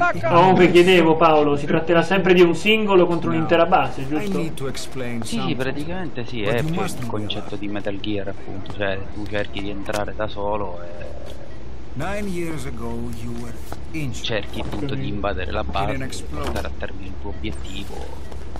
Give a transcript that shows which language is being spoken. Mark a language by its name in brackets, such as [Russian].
[Italian] No, che chiedevo Paolo, si tratterà sempre di un singolo contro un'intera base, giusto? Sì, praticamente sì, è il concetto di Metal Gear, appunto, cioè tu cerchi di entrare da solo e... [English] 9 years ago you were injured. [Italian] Cerchi appunto di invadere la base, portare a termine il tuo obiettivo.